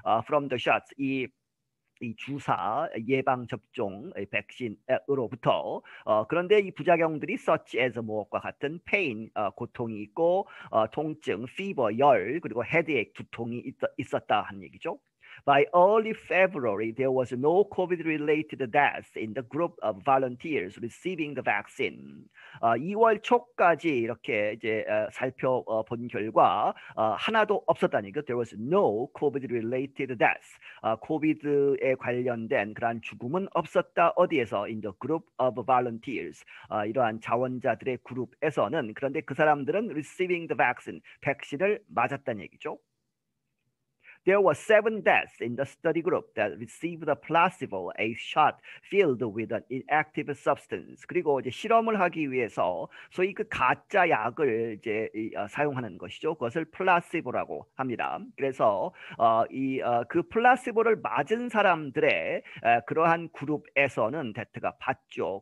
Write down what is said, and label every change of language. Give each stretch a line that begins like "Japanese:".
English: From the shots,
Korean: 이 주사 예방 접종의 백신으로부터 그런데 이 부작용들이
English: such as
Korean: 무엇과 같은 pain 고통이 있고 통증 fever 열 그리고 headache 두통이 있었다 한 얘기죠.
English: By early February, there was no COVID-related deaths in the group of volunteers receiving the vaccine.
Korean: 2월 초까지 이렇게 이제 살펴본 결과 하나도 없었다니까.
English: There was no COVID-related deaths.
Korean: COVID에 관련된 그러한 죽음은 없었다. 어디에서?
English: In the group of volunteers.
Korean: 이러한 자원자들의 그룹에서는 그런데 그 사람들은
English: receiving the vaccine,
Korean: 백신을 맞았다는 얘기죠.
English: There were seven deaths in the study group that received a placebo, a shot filled with an inactive substance.
Korean: 그리고 이제 실험을 하기 위해서 소위 그 가짜 약을 이제 사용하는 것이죠. 그것을 플라시보라고 합니다. 그래서 그 플라시보를 맞은 사람들의 그러한 그룹에서는 데트가 봤죠.